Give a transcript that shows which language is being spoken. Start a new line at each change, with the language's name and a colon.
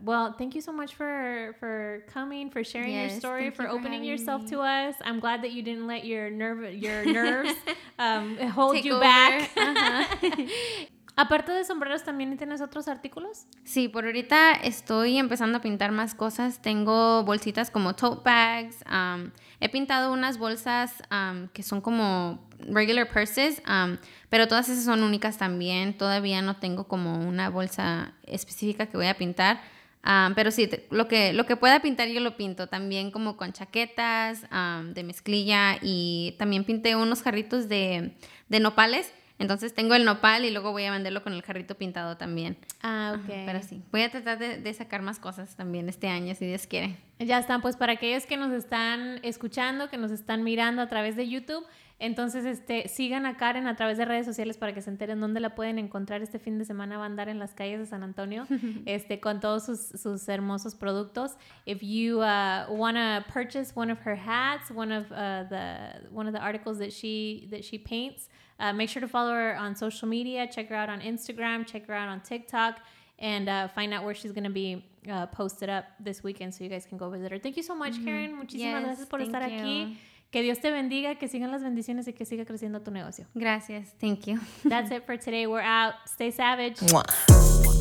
English: Well, thank you so much for coming, for sharing your story, for opening yourself to us. I'm glad that you didn't let your nerves hold you back.
Spanish: Uh-huh. Aparte de sombreros, ¿también tienes otros artículos? Sí, por ahorita estoy empezando a pintar más cosas. Tengo bolsitas como tote bags. He pintado unas bolsas que son como
English: regular purses,
Spanish: pero todas esas son únicas también. Todavía no tengo como una bolsa específica que voy a pintar, pero sí, lo que pueda pintar yo lo pinto. También como con chaquetas de mezclilla, y también pinté unos jarritos de nopales. Entonces tengo el nopal y luego voy a venderlo con el jarrito pintado también. Ah, ok. Ajá, pero sí, voy a tratar de sacar más cosas también este año, si Dios quiere. Ya están, pues para aquellos que nos están escuchando, que nos están mirando a través de YouTube, entonces sigan a Karen a través de redes sociales para que se enteren dónde la pueden encontrar. Este fin de semana va a andar en las calles de San Antonio con todos sus hermosos productos.
English: If you want to purchase one of her hats, one of the articles that she paints, make sure to follow her on social media, check her out on Instagram, check her out on TikTok, and find out where she's going to be posted up this weekend so you guys can go visit her. Thank you so much, Karen.
Spanish: Muchísimas gracias por estar aquí. Que Dios te bendiga, que sigan las bendiciones y que siga creciendo tu negocio. Gracias.
English: Thank you. That's it for today. We're out. Stay savage.